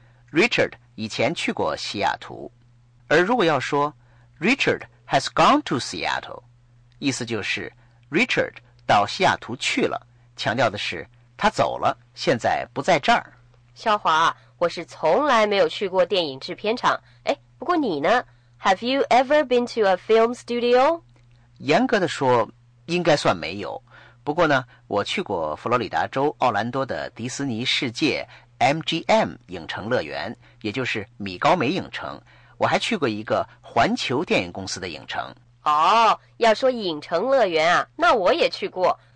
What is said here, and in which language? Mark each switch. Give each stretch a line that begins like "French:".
Chinese: Richard 以前去过西雅图。而如果要说
English: Richard has gone to Seattle,
Chinese: 意思就是 Richard 到西雅图去了，强调的是他走了，现在不在这儿。肖华，我是从来没有去过电影制片厂。哎，不过你呢？
English: Have you ever been to a film studio?
Chinese: 严格的说，应该算没有。不过呢，我去过佛罗里达州奥兰多的迪士尼世界 MGM 影城乐园，也就是米高梅影城。我还去过一个环球电影公司的影城。哦，要说影城乐园啊，那我也去过。